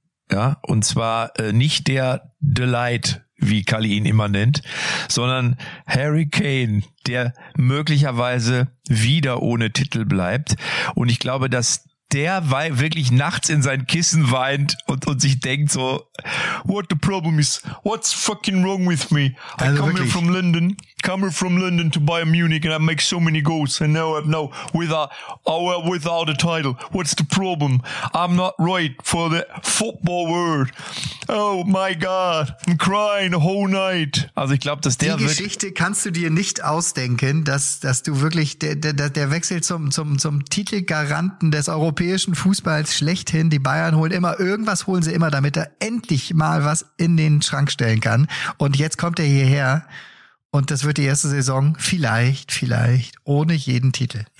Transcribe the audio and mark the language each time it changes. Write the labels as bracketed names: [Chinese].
[German] Ja, und zwar nicht der Delight, wie Kalli ihn immer nennt, sondern Harry Kane, der möglicherweise wieder ohne Titel bleibt. Und ich glaube, dass der wirklich nachts in sein Kissen weint und sich denkt so, what the problem is, what's fucking wrong with me? [English] I come here from London to Bayern Munich and I make so many goals and now I'm now without a title. What's the problem? I'm not right for the football world. Oh my God, I'm crying the whole night. [German] Also ich glaube, dass der die Geschichte kannst du dir nicht ausdenken, dass du wirklich der Wechsel zum Titelgaranten des europäischen Fußballs schlechthin, die Bayern holen immer irgendwas, holen sie immer, damit er endlich mal was in den Schrank stellen kann. Und jetzt kommt er hierher. Und das wird die erste Saison vielleicht ohne jeden Titel.